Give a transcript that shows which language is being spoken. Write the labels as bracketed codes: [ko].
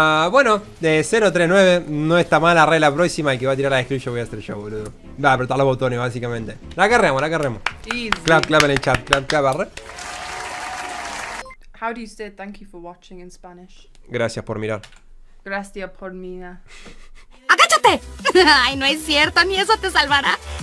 [es] Bueno, de 039 no está mal, arre, la próxima. El que va a tirar la screenshot voy a hacer yo, boludo. Va a apretar los botones, básicamente. La carremos. Y easy. Clap, clap en el chat, clap, clap, arre. [en] How do you say thank you for watching in Spanish? [es] Gracias por mirar. Gracias por mirar. ¡Agáchate! Ay, no es cierto, ni eso te salvará.